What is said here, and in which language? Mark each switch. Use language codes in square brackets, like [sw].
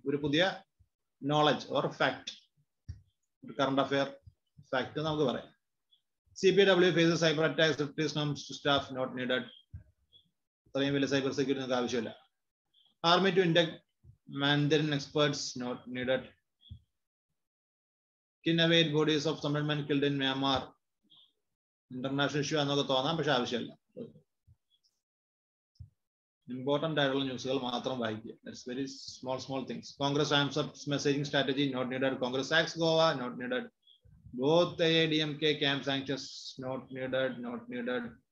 [ml] ഒരു പുതിയ knowledge or fact, ഒരു കറണ്ട് അഫെയർ ഫാക്ട് നമുക്ക് പറയാം. [en] C P W face cyber attacks staff not needed. [ml] ഇത്രയും വലിയ സൈബർ സെക്യൂരിറ്റി നമുക്ക് ആവശ്യമില്ല. [en] Army to induct Mandarin experts not needed. Kinavate bodies of some men killed in Myanmar. [ml] International issue ആണെന്നൊക്കെ തോന്നാം, പക്ഷെ ആവശ്യമില്ല. ഇമ്പോർട്ടൻ്റ് ആയിട്ടുള്ള ന്യൂസുകൾ മാത്രം വായിക്കുക. [en] It's very small small things. Congress arms up messaging strategy not needed. Congress axes Goa not needed. Both A D M K camp sanctions not needed. Not needed.